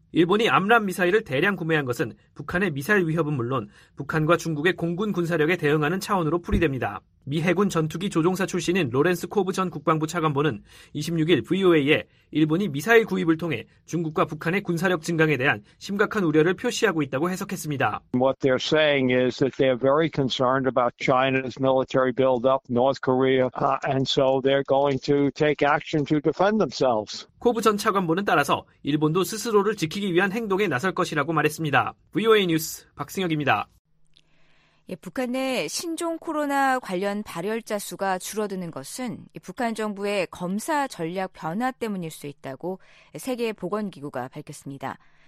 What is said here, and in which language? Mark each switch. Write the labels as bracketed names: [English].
[Korean] 일본이 암람 미사일을 대량 구매한 것은 북한의 미사일 위협은 물론 북한과 중국의 공군 군사력에 대응하는 차원으로 풀이됩니다. 미 해군 전투기 조종사 출신인 로렌스 코브 전 국방부 차관보는 26일 VOA에 일본이 미사일 구입을 통해 중국과 북한의 군사력 증강에 대한 심각한 우려를 표시하고 있다고 해석했습니다. [English] What they're saying is that they're very concerned about China's military build-up, North Korea, and so they're going to take action to defend themselves. [Korean] 코브 전 차관보는 따라서 일본도 스스로를 지키기 위한 행동에 나설 것이라고 말했습니다. VOA 뉴스 박승혁입니다. 북한 내 신종 코로나 관련 발열자 수가 줄어드는 것은 북한 정부의 검사 전략 변화 때문일 수 있다고 세계보건기구가 밝혔습니다.